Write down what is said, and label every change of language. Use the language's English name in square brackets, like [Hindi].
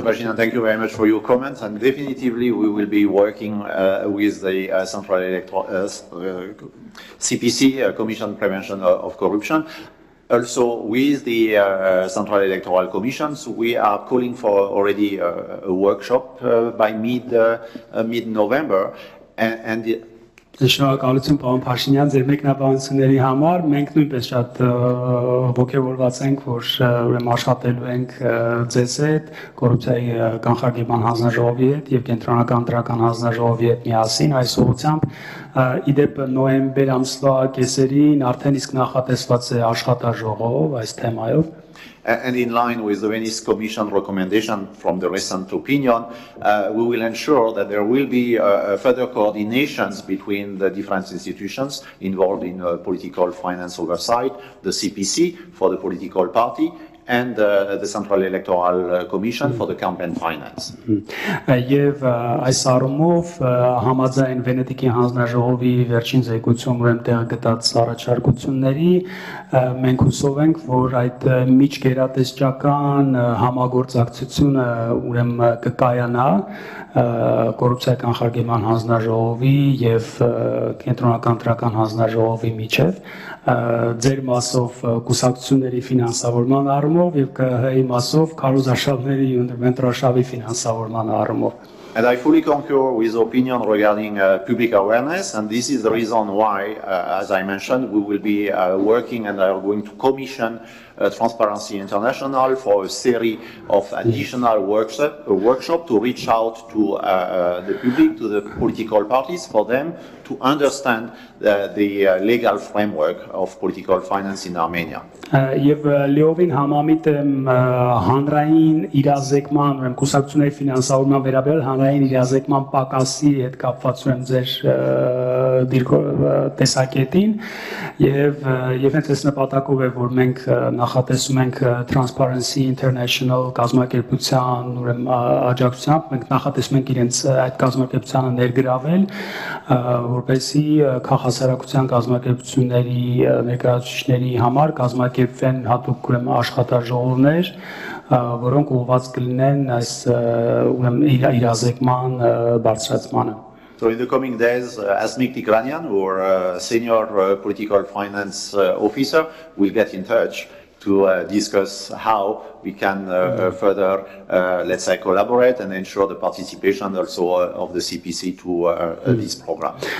[English] Bajina, thank you very much for your comments, and definitely we will be working with the Central Electoral CPC, Commission on Prevention of Corruption. Also, with the Central Electoral Commission, so we are calling for already a workshop by mid-November. And [Armenian] Շնորհակալություն պարոն Փաշինյան ձեր մեկնաբանությունների համար։ Մենք նույնպես շատ ոգևորված ենք, որ ուրեմն աշխատելու ենք ձեզ հետ, կոռուպցիայի կանխարգելման հանձնաժողովի հետ եւ կենտրոնական դրական հանձնաժողովի հետ միասին այս ուղղությամբ։ Իդեպ նոեմբեր ամսվա կեսերին արդեն իսկ նախատեսված է աշխատաժողով այս թեմայով։ [English] And in line with the Venice Commission recommendation from the recent opinion, we will ensure that there will be further coordinations between the different institutions involved in political finance oversight, the CPC for the political party, and the Central Electoral Commission for the campaign finance. [Armenian] Եվ այս առումով համաձայն Վենետիկի հանձնաժողովի վերջին զեկույցում ուրեմն տեղ գտած առաջարկությունների, մենք հուսով ենք, որ այդ միջգերատեսչական համագործակցությունը ուրեմն կկայանա կոռուպցիայի կանխարգելման հանձնաժողովի եւ կենտրոնական դրական հանձնաժողովի միջեւ ձեր մասով կուսակցությունների ֆինանսավորման առումով եւ ԿԸՀ-ի մասով քարոզարշավների ընդմետրաշավի ֆինանսավորման առումով. [English] And I fully concur with opinion regarding public awareness, and this is the reason why, as I mentioned, we will be working and are going to commission Transparency International for a series of additional workshop to reach out to the public, to the political parties, for them to understand the legal framework of political finance in Armenia. [Armenian] Եվ լիովին համամիտ եմ հանրային իրազեկման, ուրեմն կուսակցությունների ֆինանսավորման վերաբերյալ հանրային իրազեկման պակասի հետ կապված ուրեմն ձեր տեսակետին, եւ հենց այս նպատակով է, որ մենք նախատեսում ենք Transparency International կազմակերպության ուրեմն աջակցությամբ, մենք նախատեսում ենք իրենց այդ կազմակերպությանը ներգրավել, որպեսզի քաղաքացիական կազմակերպությունների ներկայացուցիչների համար կազմակերպվեն հատուկ ուրեմն աշխատաժողովներ, որոնք ուղված կլինեն այս ուրեմն իրազեկման բարձրացմանը. [English] So in the coming days, Asmik Tigranian, our senior political finance officer, will get in touch to discuss how we can further, let's say, collaborate and ensure the participation also of the CPC to this program.